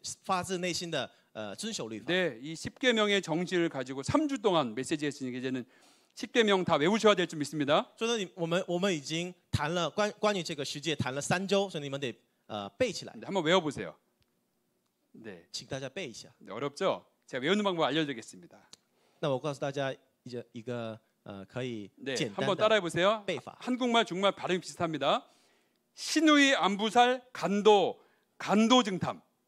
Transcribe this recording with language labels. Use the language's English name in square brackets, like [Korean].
[Chinese] 这个就是我们基督徒的生活方式。如果我们与神亲近，然后呢，就是发自内心的遵守神律法的话，我们就可以，就是我们爱神的话，我们就可以发自内心的遵守律法。 [Korean] 네, 이 십계명의 정신을 가지고 3주 동안 메시지 했으니까는 십계명 다 외우셔야 될 줄 믿습니다. [Chinese] 所以我们已经 谈了关于这个世界谈了三周，所以你们得背起来。 [Korean] 한번 외워보세요. 네, [Chinese] 请大家背一下。 [Korean] 네, 어렵죠? 제가 외우는 방법 알려드리겠습니다. [Chinese] 那我告诉大家一个可以简单的背法。 [Korean] 한번 따라해보세요. 한국말 중국말 발음이 비슷합니다. 신우이 안부살 간도 간도증탐.